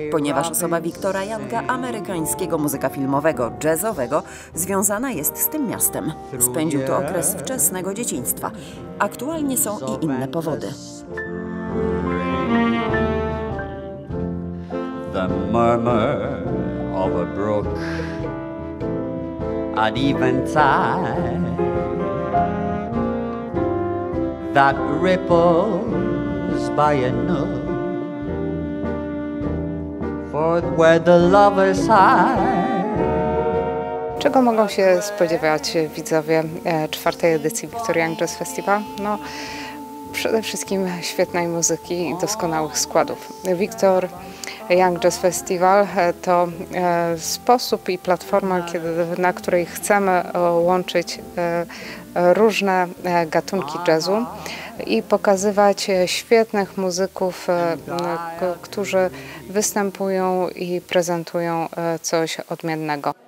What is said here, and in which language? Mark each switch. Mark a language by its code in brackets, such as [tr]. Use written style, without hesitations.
[pl] Ponieważ osoba Wiktora Younga, amerykańskiego muzyka filmowego, jazzowego, związana jest z tym miastem. Spędził tu okres wczesnego dzieciństwa. Aktualnie są i inne powody. [en] The murmur of a brook at eventide that ripples by a nook, for where the lovers are. [pl] Czego mogą się spodziewać widzowie czwartej edycji Wiktor Young Jazz Festival? No, przede wszystkim świetnej muzyki i doskonałych składów. Wiktor Young Jazz Festival to sposób i platforma, na której chcemy łączyć różne gatunki jazzu i pokazywać świetnych muzyków, którzy występują i prezentują coś odmiennego.